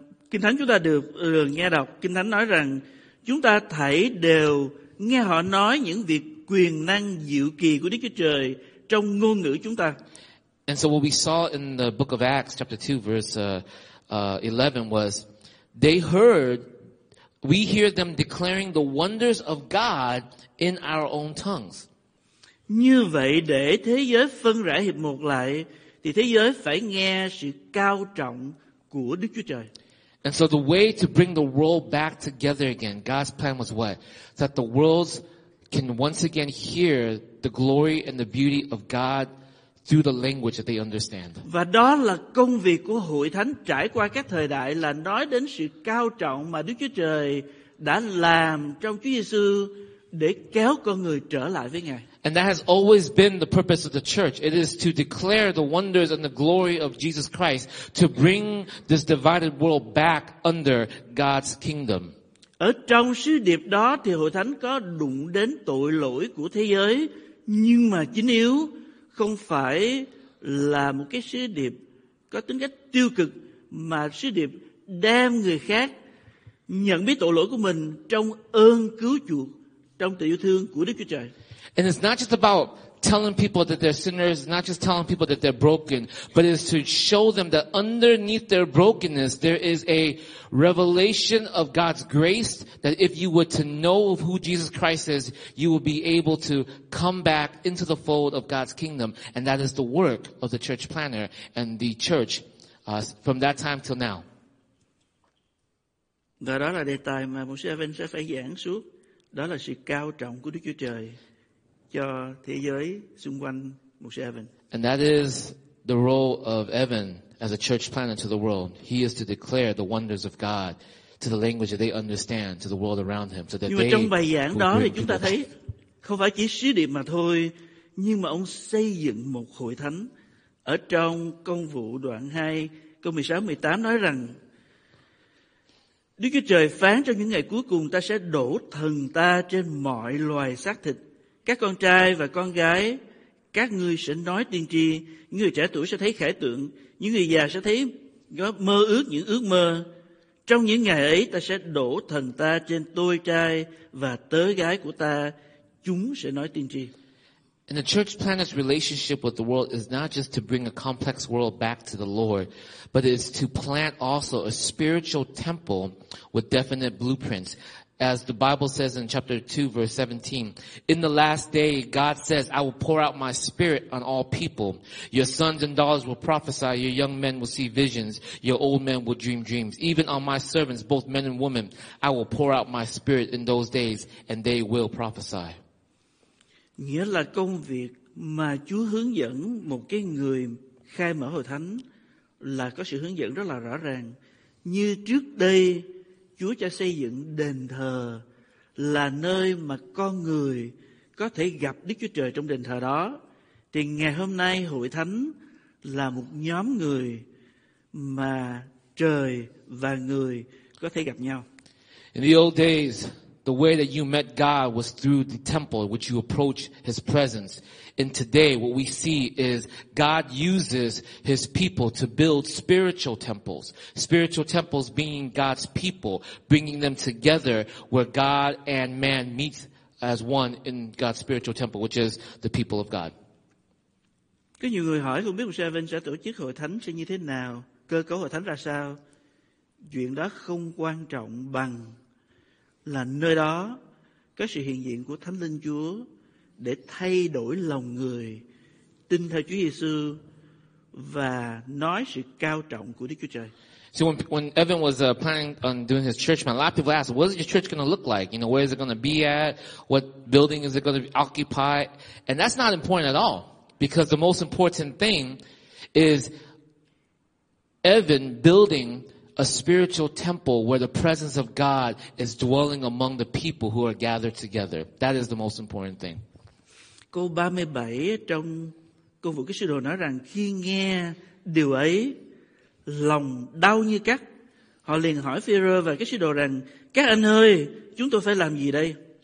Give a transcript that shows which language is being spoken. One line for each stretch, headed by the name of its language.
Vietnamese: Kinh Thánh chúng ta được nghe đọc, Kinh Thánh nói rằng chúng ta thảy đều nghe họ nói những việc quyền năng diệu kỳ của Đức Chúa Trời trong ngôn ngữ chúng ta.
English: And so what we saw in the book of Acts chapter 2 verse 11 was They heard, we hear them declaring the wonders of God in our own tongues.
Vietnamese: Như vậy để thế giới phân rẽ hiệp một lại thì thế giới phải nghe sự cao trọng của Đức Chúa Trời.
English: And so the way to bring the world back together again, God's plan was what? That the world can once again hear the glory and the beauty of God through the language that they understand.
Vietnamese: Và đó là công việc của hội thánh trải qua các thời đại là nói đến sự cao trọng mà Đức Chúa Trời đã làm trong Chúa Giêsu để kéo con người trở lại với Ngài.
English: And that has always been the purpose of the church. It is to declare the wonders and the glory of Jesus Christ to bring this divided world back under God's kingdom.
Vietnamese: Ở trong sứ điệp đó thì hội thánh có đụng đến tội lỗi của thế giới, nhưng mà chính yếu không phải là một cái sứ điệp có tính cách tiêu cực, mà sứ điệp đem người khác nhận biết tội lỗi của mình trong ơn cứu chuộc, trong tình yêu thương của Đức Chúa Trời.
English: And it's not just about telling people that they're sinners, not just telling people that they're broken, but it's to show them that underneath their brokenness, there is a revelation of God's grace, that if you were to know of who Jesus Christ is, you would be able to come back into the fold of God's kingdom. And that is the work of the church planner and the church from that time till now.
Vietnamese: Và đó là đề tài mà Mục sư Evan sẽ phải giảng suốt. Đó là sự cao trọng của Đức Chúa Trời cho thế giới xung quanh Mục sư Evan.
English: And that is the role of Evan as a church planner to the world. He is to declare the wonders of God to the language that they understand to the world around him, so that they.
Vietnamese: Trong bài giảng đó thì chúng ta thấy không phải chỉ sứ điệp mà thôi, nhưng mà ông xây dựng một hội thánh. Ở trong công vụ đoạn 2 câu 16-18 nói rằng Đức Chúa Trời phán trong những ngày cuối cùng ta sẽ đổ thần ta trên mọi loài xác thịt. Các con trai và con gái, các ngươi sẽ nói tiên tri, những người trẻ tuổi sẽ thấy khải tượng, những người già sẽ thấy mơ ước những ước mơ. Trong những ngày ấy, ta sẽ đổ thần ta trên tôi trai và tớ gái của ta, chúng sẽ nói tiên tri.
English: And the church planner's relationship with the world is not just to bring a complex world back to the Lord, but it is to plant also a spiritual temple with definite blueprints. As the Bible says in chapter 2, verse 17, in the last day, God says, I will pour out my spirit on all people. Your sons and daughters will prophesy. Your young men will see visions. Your old men will dream dreams. Even on my servants, both men and women, I will pour out my spirit in those days, and they will prophesy.
Vietnamese: Nghĩa là công việc mà Chúa hướng dẫn một cái người khai mở hội thánh là có sự hướng dẫn rất là rõ ràng. Như trước đây, Chúa cho xây dựng đền thờ là nơi mà con người có thể gặp Đức Chúa Trời trong đền thờ đó. Thì ngày hôm nay hội thánh là một nhóm người mà trời và người có thể gặp nhau.
English: In the old days, the way that you met God was through the temple, which you approach His presence. In today, what we see is God uses His people to build spiritual temples. Spiritual temples being God's people, bringing them together where God and man meet as one in God's spiritual temple, which is the people of God.
Vietnamese: Có nhiều người hỏi không biết Mục sư Evan sẽ tổ chức hội thánh sẽ như thế nào, cơ cấu hội thánh ra sao. Chuyện đó không quan trọng bằng là nơi đó có sự hiện diện của Thánh Linh Chúa để thay đổi lòng người tin theo Chúa Giêsu và nói sự cao trọng của Đức Chúa Trời.
English: So when Evan was planning on doing his church, man, a lot of people asked, what is your church going to look like? You know, where is it going to be at? What building is it going to occupy? And that's not important at all, because the most important thing is Evan building a spiritual temple where the presence of God is dwelling among the people who are gathered together. That is the most important thing.
Vietnamese: Câu 37 trong câu vụ Ký Sứ Đồ nói rằng khi nghe điều ấy, lòng đau như cắt. Họ liền hỏi Phi-rơ và Ký Sứ Đồ rằng, các anh ơi, chúng tôi phải làm gì đây?